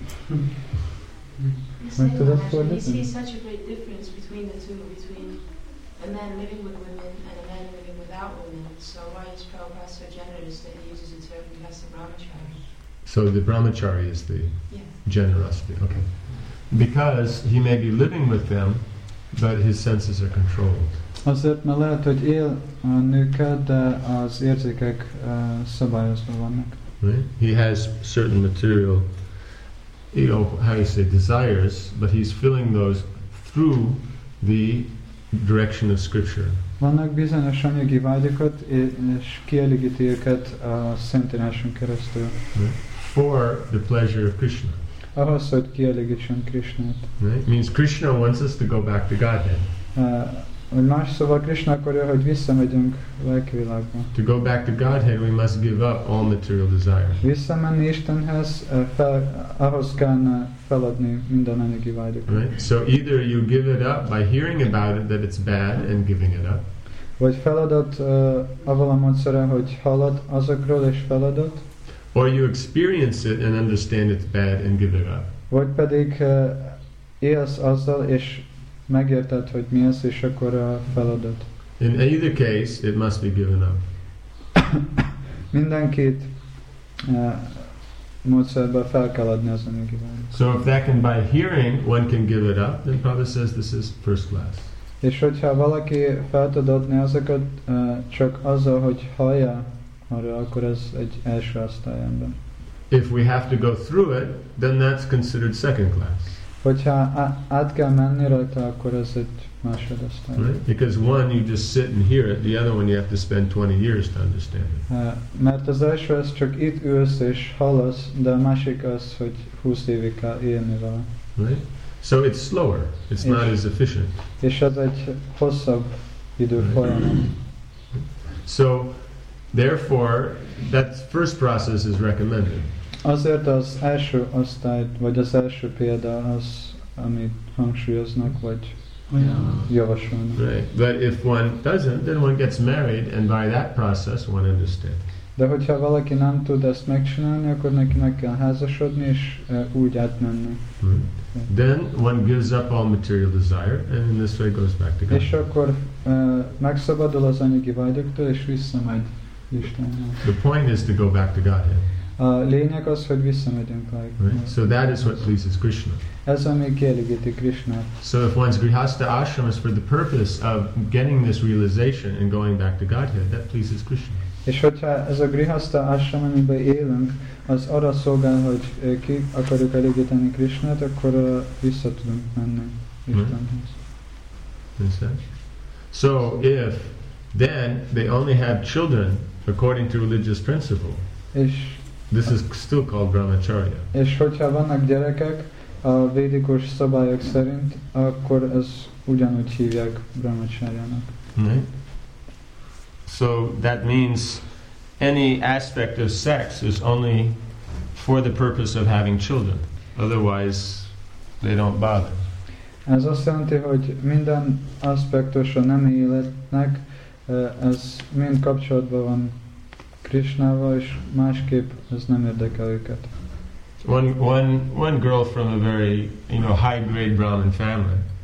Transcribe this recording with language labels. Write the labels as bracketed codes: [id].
[en] You see such a great difference between the two, between a man living with women and a man living without women. So why is Prabhupada so generous that he uses the term grihastha brahmachari? So the brahmachari is the generosity. Okay. Because he may be living with them, but his senses are controlled. [hu] Azért, mert lehet, hogy él a nőkkel, de az érzékek szabályozva vannak. [en] Right? He has certain material, you know, how you say, desires, but he's filling those through the direction of scripture. [hu] Vannak bizonyos anyagi vágyakat, és kielégíti őket a szentíráson keresztül. [en] Right? For the pleasure of Krishna. [hu] Ahhoz, hogy kielégítsen Krishnát. [en] Right? Means Krishna wants us to go back to Godhead. [hu] Más szóval Krishna akarja, hogy visszamegyünk lelki világba. [en] To go back to Godhead, we must give up all material desires. [hu] Visszamenni Istenhez, ahhoz kellene feladni minden anyagi vágyakat. [en] Right? So either you give it up by hearing about it, that it's bad, and giving it up. [hu] Vagy feladod avval a módszere, hogy hallod azokról, és feladod. [en] Or you experience it and understand it's bad and give it up. [hu] Vagy pedig élsz azzal, és megérted, hogy mi az, és akkor a feladat. [en] In either case, it must be given up. [hu] Mindenkit módszerbe fel kell adni az anyagiban. [en] So if that can by hearing one can give it up, then Prabhupada says this is first class. [hu] És hogyha valaki fel tud adni azokat csak azzal, hogy hallja arra, akkor ez egy első osztály ember. [en] If we have to go through it, then that's considered second class. [hu] Hogyha át kell menni rajta, akkor ez egy másodosztály. [en] Right? Because one, you just sit and hear it. The other one, you have to spend 20 years to understand it. [hu] Mert az első az csak itt ülsz és hallasz, de a másik az, hogy 20 évig kell élni vele. [en] Right? So it's slower. It's not as efficient. [hu] És ez egy hosszabb idő folyamat. [en] So, therefore, that first process is recommended. [hu] Azért az első osztály, vagy az első példa az, amit hangsúlyoznak, vagy javasolnak. [en] Right. But if one doesn't, then one gets married, and by that process one understands. [hu] De hogyha valaki nem tud ezt megcsinálni, akkor neki meg kell házasodni, és úgy átmenni. Mm. [en] Then one gives up all material desire, and in this way goes back to God. [hu] És akkor megszabadul az anyagi vágyaktól, és visszamegy Istennek. [en] The point is to go back to Godhead. [hu] A lényeg az, hogy visszamegyünk meg. [en] Right. So that is what pleases Krishna. [hu] Ez ami kielégíti Krishna. [en] So if one's grihastha ashram is for the purpose of getting this realization and going back to Godhead, that pleases Krishna. [hu] És hogyha ez a grihastha ashram, amiben élünk, az arra szolgál, hogy ki akarjuk elégíteni Krishnát, akkor vissza tudunk menni Istenhez. [en] So if then they only have children according to religious principle, this is still called brahmacharya. [hu] És hogyha vannak gyerekek a védikus szabályok szerint, akkor ez ugyanúgy hívják brahmacharyának. [en] So that means any aspect of sex is only for the purpose of having children. Otherwise, they don't bother. [hu] Ez azt jelenti, hogy minden aspektus a nemi életnek, ez mind kapcsolatban van Krishnával, és másképp ez nem érdekel őket. [en] One girl from a very, you know, high grade Brahmin family.